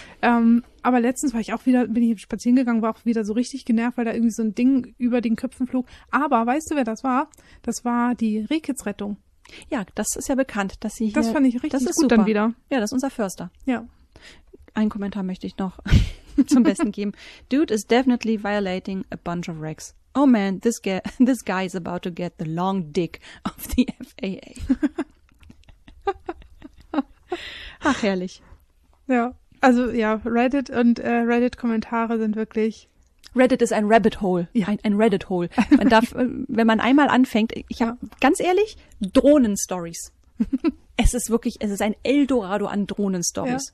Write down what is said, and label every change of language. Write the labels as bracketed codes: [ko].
[de] Aber letztens war ich auch wieder, bin ich spazieren gegangen, war auch wieder so richtig genervt, weil da irgendwie so ein Ding über den Köpfen flog. Aber weißt du, wer das war? Das war die Rehkitzrettung. Ja, das ist ja bekannt, dass sie hier... Das fand ich richtig gut super. Dann wieder. Ja, das ist unser Förster. Ja. Einen Kommentar möchte ich noch zum Besten geben. [en] Dude is definitely violating a bunch of regs. Oh man, this guy is about to get the long dick of the FAA. [de] Ach, herrlich. Ja, also ja, Reddit und Reddit-Kommentare sind wirklich... Reddit ist ein Rabbit Hole, ja. Ein Reddit Hole. Man darf, wenn man einmal anfängt, ich habe ganz ehrlich, Drohnen-Stories. Es ist wirklich, es ist ein Eldorado an Drohnen-Stories.